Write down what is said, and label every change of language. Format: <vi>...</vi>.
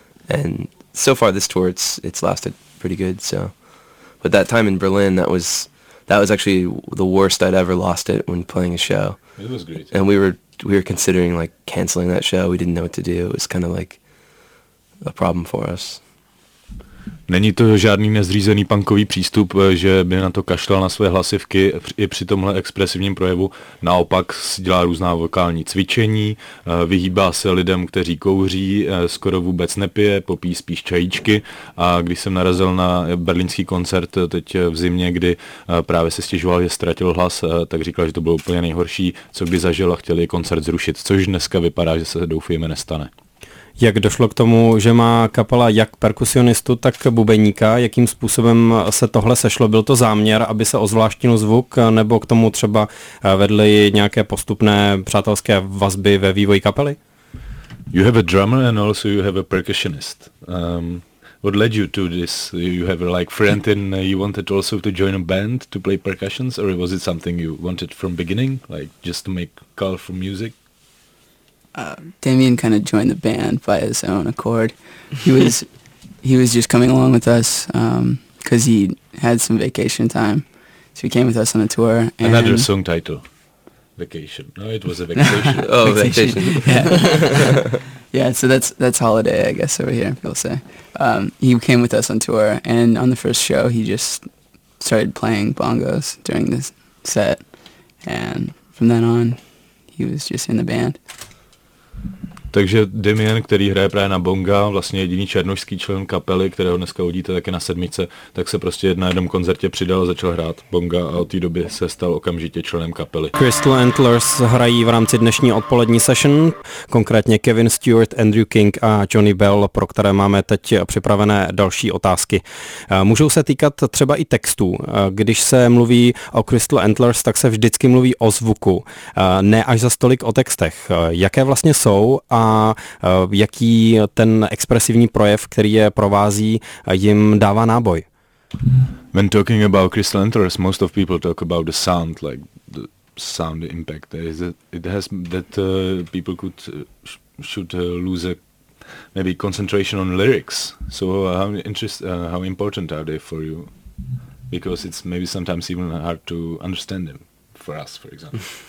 <en>And so far this tour it's lasted pretty good. So but that time in Berlin, that was actually the worst I'd ever lost it when playing a show. It was great. And we were considering like canceling that show. We didn't know what to do. It was kind of like a problem for us.</en> <cs>Není to žádný nezřízený punkový přístup, že by na to kašlal na své hlasivky i při tomhle expresivním projevu. Naopak dělá různá vokální cvičení, vyhýbá se lidem, kteří kouří, skoro vůbec nepije, popíjí spíš čajíčky. A když jsem narazil na berlínský koncert teď v zimě, kdy právě se stěžoval, že ztratil hlas, tak říkal, že to bylo úplně nejhorší, co by zažil a chtěli koncert zrušit, což dneska vypadá, že se doufejme nestane. Jak došlo k tomu, že má kapela jak perkusionistu, tak bubeníka? Jakým způsobem se tohle sešlo? Byl to záměr, aby se ozvláštnil zvuk, nebo k tomu třeba vedly nějaké postupné přátelské vazby ve vývoji kapely?</cs> <en>You have a drummer and also you have a percussionist. What led you to this? You have a like friend and you wanted also to join a band to play percussions, or was it something you wanted from beginning, like just to make colorful music? Damien kind of joined the band by his own accord. He was just coming along with us because he had some vacation time, so he came with us on a tour. And another song title, Vacation. No, it was a vacation. Oh, vacation. Yeah. Yeah, so that's holiday, I guess, over here, people say. He came with us on tour, and on the first show, he just started playing bongos during this set, and from then on, he was just in the band.</en> <cs>Takže Damien, který hraje právě na bonga, vlastně jediný černošský člen kapely, kterého dneska uvidíte taky na sedmice, tak se prostě na jednom koncertě přidal, začal hrát bonga a od té doby se stal okamžitě členem kapely. Crystal Antlers hrají v rámci dnešní odpolední session, konkrétně Kevin Stewart, Andrew King a Johnny Bell, pro které máme teď připravené další otázky. Můžou se týkat třeba i textů. Když se mluví o Crystal Antlers, tak se vždycky mluví o zvuku, ne až za stolik o textech. Jaké vlastně jsou a jaký ten expresivní projev, který je provází, jim dává náboj.</cs> <en>When talking about Crystal Antlers, most of people talk about the sound, like the sound impact. It has that people could should lose a maybe concentration on lyrics. So how important are they for you? Because it's maybe sometimes even hard to understand them for us, for example.</en>